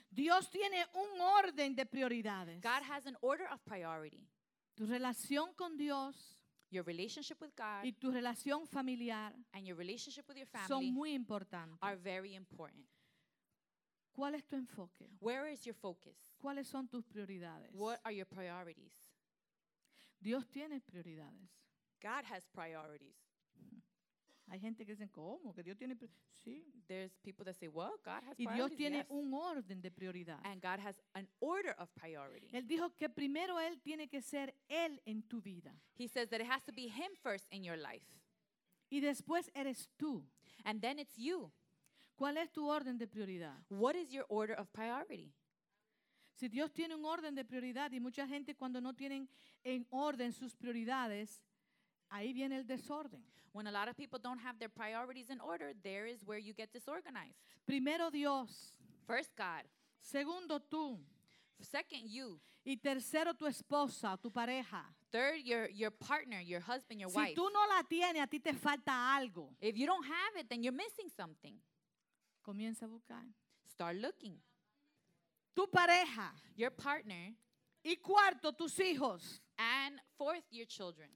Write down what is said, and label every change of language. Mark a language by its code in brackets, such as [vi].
[es] Dios tiene un orden de prioridades. [en] God has an order of priority. [es] Tu relación con Dios. [en] Your relationship with God. [es] Y tu relación familiar. [en] And your relationship with your family. [es] Son muy importantes. [en] Are very important. [es] ¿Cuál es tu enfoque? [en] Where is your focus? [es] ¿Cuáles son tus prioridades? [en] What are your priorities? [es] Dios tiene prioridades. [en] God has priorities. [es] Hay gente que dicen, ¿cómo? Que Dios tiene sí. [en] There's people that say, well, God has priorities. [es] Y Dios tiene [en] yes. [es] un orden de prioridad. [en] And God has an order of priority. [es] Él dijo que primero Él tiene que ser Él en tu vida. [en] He says that it has to be Him first in your life. [es] Y después eres tú. [en] And then it's you. [es] ¿Cuál es tu orden de prioridad? [en] What is your order of priority? [es] Si Dios tiene un orden de prioridad y mucha gente cuando no tienen en orden sus prioridades, ahí viene el desorden. [en] When a lot of people don't have their priorities in order, there is where you get disorganized. [es] Primero Dios. [en] First God. [es] Segundo tú. [en] Second you. [es] Y tercero tu esposa, tu pareja. [en] Third, your partner, your husband, your wife. [es] Si tú no la tienes, a ti te falta algo. [en] If you don't have it, then you're missing something. [es] Comienza a buscar. [en] Start looking. [es] Tu pareja. [en] Your partner. [es] Y cuarto, tus hijos. [en] And fourth, your children.